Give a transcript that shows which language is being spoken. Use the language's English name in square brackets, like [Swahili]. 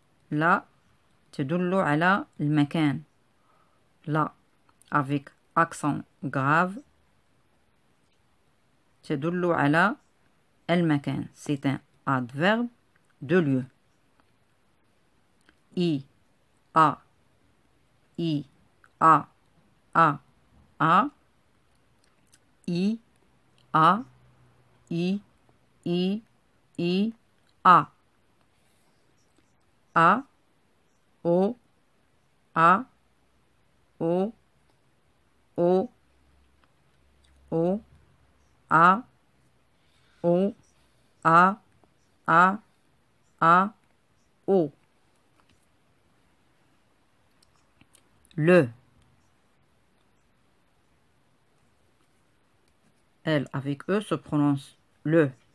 [Arabic] Là. تدل على المكان. لا [French] avec accent grave [Arabic] تدل على المكان. [French] C'est un adverbe de lieu. I A I A A A I A I I I A A O A O O O A O A A A O. Le elle avec E se prononce le.